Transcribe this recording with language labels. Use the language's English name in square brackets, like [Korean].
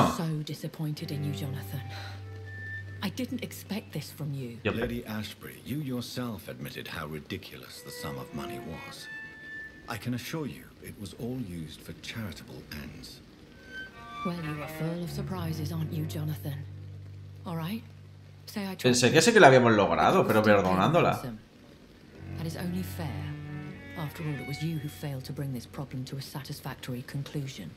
[English] I'm so disappointed in you, Jonathan. I didn't expect this from you. Yep. Lady Ashbury, you yourself admitted how ridiculous the sum of money was. I can assure you, it was all used for charitable ends. Well, you are full of surprises, aren't you, Jonathan? All right. Say I told you. [Spanish] Pensé que sí que la habíamos logrado, pero perdonándola. [English] That is only fair. After all, it was you who failed to bring this problem to a satisfactory conclusion.